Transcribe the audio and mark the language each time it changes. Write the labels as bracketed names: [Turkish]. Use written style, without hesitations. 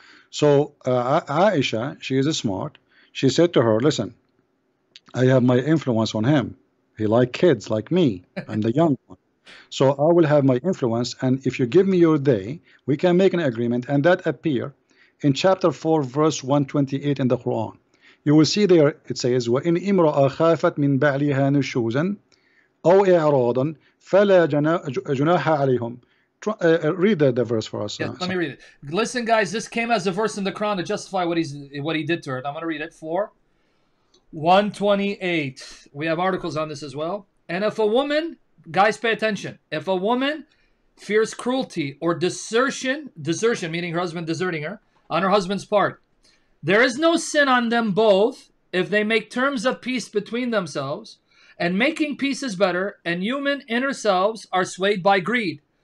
[English] So Aisha, she is smart. She said to her, listen, I have my influence on him. He like kids like me and the young one. So I will have my influence. And if you give me your day, we can make an agreement. And that appear in chapter 4, verse 128 in the Quran. You will see there, it says, [Arabic] وَإِنْ إِمْرَأَ خَافَتْ مِنْ بَعْلِهَا نُشُوزًا أَوْ إِعْرَاضًا فَلَا جُنَاحَ عَلَيْهُمْ. [English] Read the verse for us. Yeah, let me read it. Listen, guys, this came as a verse in the Quran to justify what he did to her. I'm going to read it. 4:128. We have articles on this as well. And if a woman, guys, pay attention. If a woman fears cruelty or desertion, meaning her husband deserting her on her husband's part, there is no sin on them both if they make terms of peace between themselves, and making peace is better, and human inner selves are swayed by greed.